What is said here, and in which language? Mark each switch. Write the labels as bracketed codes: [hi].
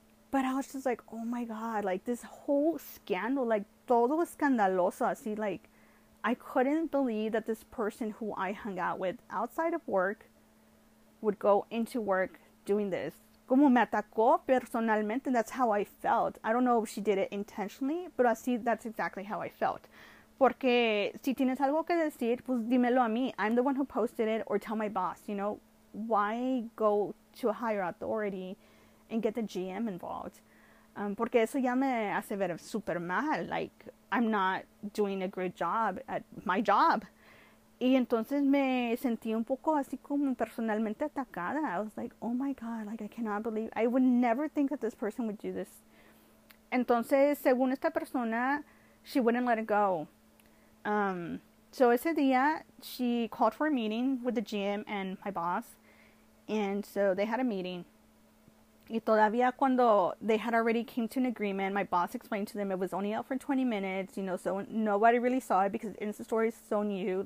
[en] But I was just like, oh, my God, like, this whole scandal, like, [es] todo escandaloso, así, [en] like, I couldn't believe that this person who I hung out with outside of work would go into work doing this. [es] Como me atacó personalmente, [en] that's how I felt. I don't know if she did it intentionally, but [es] así, [en] that's exactly how I felt. [es] Porque si tienes algo que decir, pues dímelo a mí. [en] I'm the one who posted it, or tell my boss, you know. Why go to a higher authority and get the GM involved? [es] Porque eso ya me hace ver super mal. [en] Like, I'm not doing a great job at my job. [es] Y entonces me sentí un poco así como personalmente atacada. [en] I was like, oh my God, like, I cannot believe. I would never think that this person would do this. [es] Entonces, según esta persona, [en] she wouldn't let it go. So [es] ese día, [en] she called for a meeting with the GM and my boss. And so they had a meeting. [es] Y todavía cuando [en] they had already came to an agreement, my boss explained to them it was only out for 20 minutes, you know, so nobody really saw it because Insta story is so new.